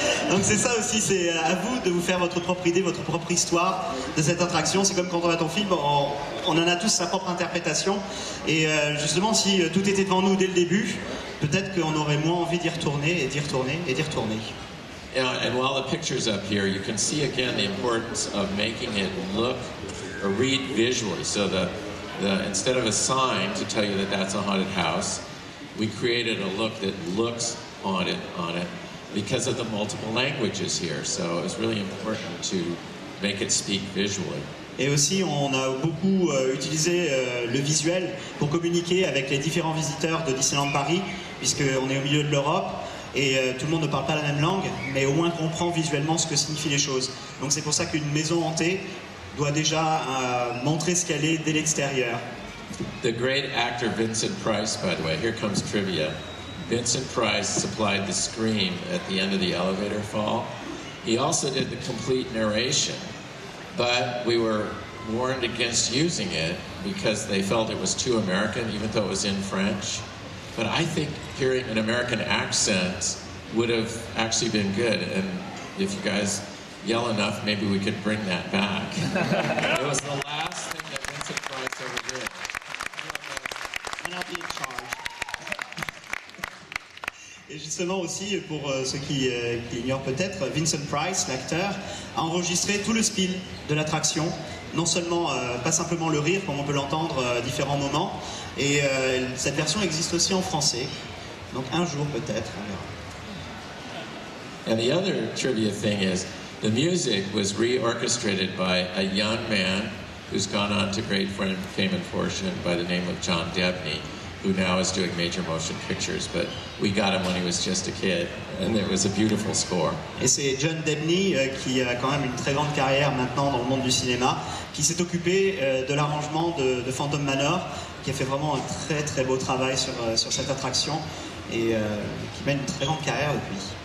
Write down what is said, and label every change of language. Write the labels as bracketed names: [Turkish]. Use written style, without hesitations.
[French] Donc c'est ça aussi, c'est à vous de vous faire votre propre idée, votre propre histoire de cette attraction. C'est comme quand on a ton film, on en a tous sa propre interprétation. Et justement, si tout était devant nous dès le début, peut-être qu'on aurait moins envie d'y retourner et d'y retourner et d'y retourner. [English] And while the picture's up here, you can see again the importance of making it look or read visually. So the instead of a sign to tell you that that's a haunted house, we created a look that looks on it. Because of the multiple languages here, so it's really important to make it speak visually. [French] Et aussi, on a beaucoup utilisé le visuel pour communiquer avec les différents visiteurs de Disneyland Paris, puisque on est au milieu de l'Europe et tout le monde ne parle pas la même langue, mais au moins comprend visuellement ce que signifient les choses. Donc c'est pour ça qu'une maison hantée doit déjà montrer ce qu'elle est dès l'extérieur. [English] The great actor Vincent Price, by the way. Here comes trivia. Vincent Price supplied the scream at the end of the elevator fall. He also did the complete narration, but we were warned against using it because they felt it was too American, even though it was in French. But I think hearing an American accent would have actually been good, and if you guys yell enough, maybe we could bring that back. It was the last thing that Vincent Price ever did. And I'll be in charge. [French] Et justement aussi, pour ceux qui ignorent peut-être, Vincent Price, l'acteur, a enregistré tout le spiel de l'attraction. Non seulement, pas simplement le rire, comme on peut l'entendre à différents moments. Et cette version existe aussi en français. Donc un jour peut-être, on verra. [English] And the other trivia thing is, the music was re-orchestrated by a young man who's gone on to great fame and fortune by the name of John Debney, who now is doing major motion pictures, but we got him when he was just a kid, and it was a beautiful score. [French] Et c'est John Debney qui a quand même une très grande carrière maintenant dans le monde du cinéma, qui s'est occupé de l'arrangement de Phantom Manor, qui a fait vraiment un très très beau travail sur cette attraction, et qui mène une très grande carrière depuis.